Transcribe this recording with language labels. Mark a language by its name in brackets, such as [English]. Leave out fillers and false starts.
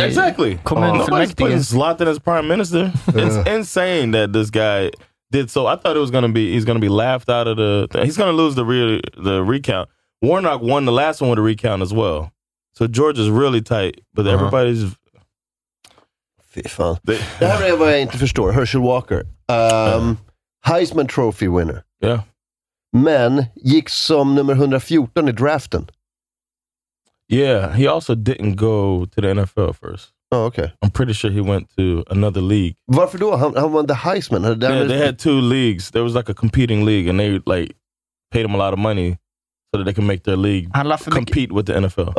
[English] Exactly. Nobody's putting Zlatan as prime minister. It's insane that this guy did so. I thought it was going to be, he's going to be laughed out of the thing. He's going to lose the recount. Warnock won the last one with a recount as well. Så George is really tight, but uh-huh. everybody's... [Swedish] Fy fan. Det här är vad jag inte förstår. [English] Herschel Walker. Heisman Trophy winner. Ja. Yeah. [Swedish] Men gick som nummer 114 i draften. [English] Yeah, he also didn't go to the NFL first. Oh, okay. I'm pretty sure he went to another league. [Swedish] Varför då? Han [English] won the Heisman. They had two leagues. There was like a competing league, and they like paid him a lot of money. So that they can make their league compete with the NFL.